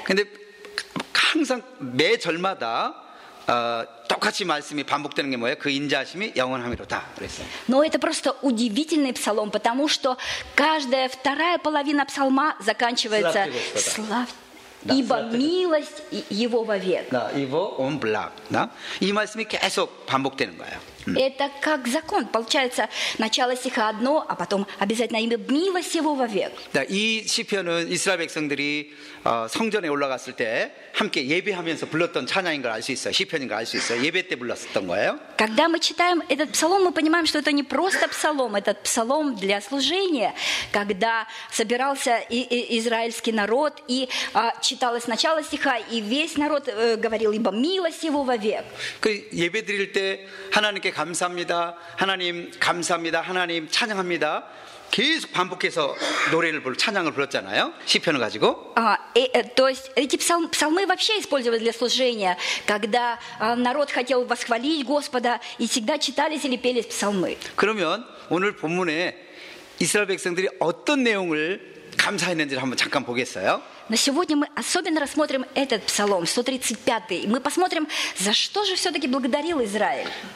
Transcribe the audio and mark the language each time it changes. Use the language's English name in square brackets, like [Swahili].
[Korean] 근데 항상 매 절마다 똑같이 말씀이 반복되는 게 뭐예요? 그 인자하심이 영원함이로다 그랬어요. [Russian] Но это просто удивительный псалом, потому что каждая вторая половина псалма заканчивается славь Ибо милость его вовек. Да, его он благ. Да? И [Korean] 말씀이 계속 반복되는 거예요. [Russian] Это как закон. Получается, начало стиха одно, а потом обязательно имя милость его вовек. [Korean] Да, и 시편은 이스라엘 백성들이 성전에 올라갔을 때 함께 예배하면서 불렀던 찬양인 걸 알 수 있어요. 시편인 걸 알 수 있어요. 예배 때 불렀었던 거예요. [Russian] Когда мы читаем этот псалом, мы понимаем, что это не просто псалом, этот псалом для служения, когда собирался израильский народ и читалось начало стиха, и весь народ говорил: ибо милость его вовек. [Korean] 그 예배 드릴 때 하나님께 감사합니다. 하나님 감사합니다. 하나님 찬양합니다. 계속 반복해서 노래를 불러 찬양을 불렀잖아요. 시편을 가지고. [Russian] То есть эти псалмы вообще использовались для служения, когда народ хотел восхвалить Господа и всегда читались или пели псалмы. [Korean] 그러면 오늘 본문에 이스라엘 백성들이 어떤 내용을 감사했는지를 한번 잠깐 보겠어요. [Russian] Но сегодня мы особенно рассмотрим этот псалом 135. Мы посмотрим, за что же все-таки благодарил Израиль.